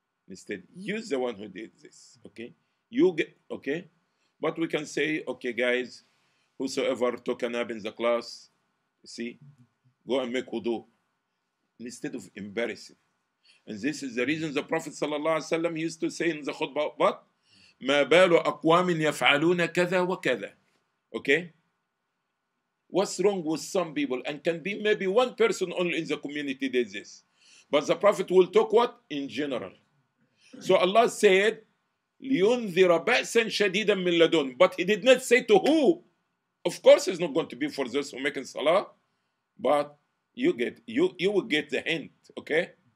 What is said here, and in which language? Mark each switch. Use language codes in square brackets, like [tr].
[en] Instead, you're the one who did this. Okay? You get, okay? But we can say, okay, guys, whosoever took a nap in the class, see, go and make wudu. Instead of embarrassing. And this is the reason the Prophet sallallahu alaihi wasallam used to say in the khutbah, what? [ar] ما بال أقوام يفعلون كذا وكذا. [en] Okay? What's wrong with some people? And can be maybe one person only in the community did this. But the Prophet will talk what? In general. So Allah said, [ar] لِيُنْذِرَ بَأْسًا شَدِيدًا مِنْ لَدُونَ. [en] But he did not say to who? Of course it's not going to be for those who make salah. But you will get the hint. Okay?